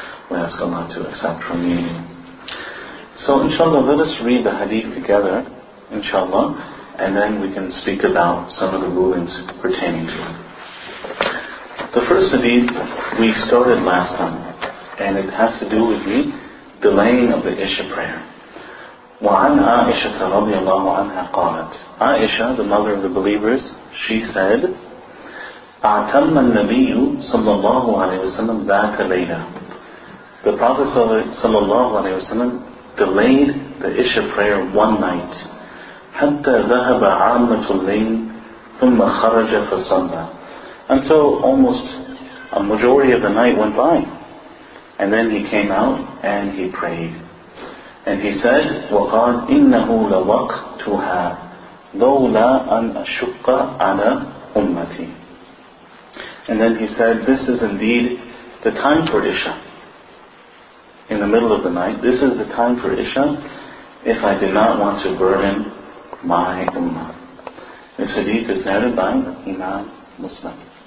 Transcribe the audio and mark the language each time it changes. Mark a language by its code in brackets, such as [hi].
[en] We ask Allah to accept from me. So inshallah, let us read the hadith together, inshallah, and then we can speak about some of the rulings pertaining to it. The first hadith we started last time, and it has to do with the delaying of the Isha prayer. [ar] وعن عائشة رضي الله عنها قالت [en] Aisha, the mother of the believers, she said, [ar] أعتم النبي صلى الله عليه وسلم ذات ليلة. [en] The Prophet صلى الله عليه وسلم delayed the Isha prayer one night. [ar] حتى ذهب عامة الليل ثم خرج فصلى. [en] Until almost a majority of the night went by. And then he came out and he prayed. And he said, [ar] وَقَالْ إِنَّهُ لَوَقْتُهَا ذَوْ لَا أَنْ أَشُقَّ عَلَى أُمَّتِي. [en] And then he said, this is indeed the time for Isha. In the middle of the night, this is the time for Isha, if I did not want to burden my Ummah. This hadith is narrated by Imam Muslim.